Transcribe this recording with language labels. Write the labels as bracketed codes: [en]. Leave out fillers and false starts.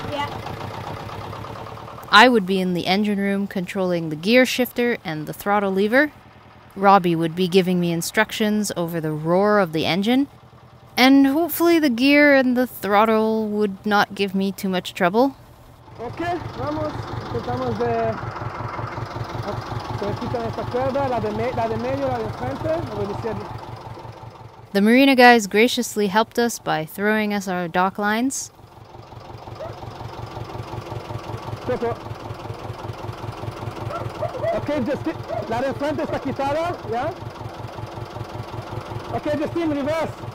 [en] Yeah. I would be in the engine room controlling the gear shifter and the throttle lever. Robi would be giving me instructions over the roar of the engine, and hopefully the gear and the throttle would not give me too much trouble. [es] Okay, vamos. Empezamos de esta cuerda, la de medio, la de frente, la de izquierda. [en] The marina guys graciously helped us by throwing us our dock lines. Okay, just keep. [es] La de frente está quitada, [en] yeah? Okay, just in reverse.